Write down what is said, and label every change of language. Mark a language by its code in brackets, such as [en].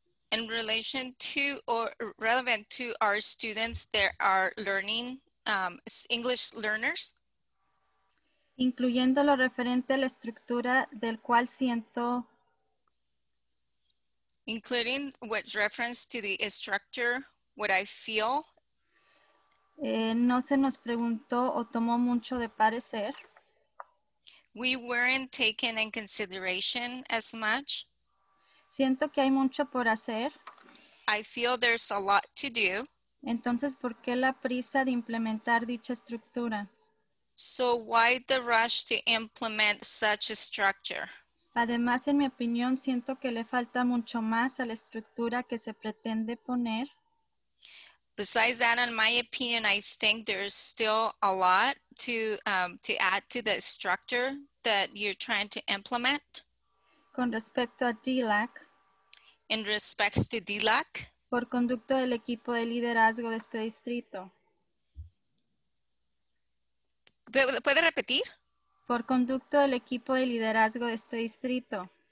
[en] In relation to or relevant to our students that are learning English learners. [es] Incluyendo lo referente a la estructura del cual siento. [en] Including with reference to the structure, what I feel. [es] No se nos preguntó o tomó mucho de parecer. [en] We weren't taken in consideration as much. [es] Siento que hay mucho por hacer. [en] I feel there's a lot to do. [es] Entonces, ¿por qué la prisa de implementar dicha estructura? [en] So why the rush to implement such a structure? [es] Además, en mi opinión, siento que le falta mucho más a la estructura que se pretende poner. [en] Besides that, in my opinion, I think there's still a lot to add to the structure that you're trying to implement. [es] Con respecto a DLAC. [en] In respects to DLAC. [es] Por conducto del equipo de liderazgo de este distrito. ¿Puede repetir? Por conducto del equipo de liderazgo de este distrito.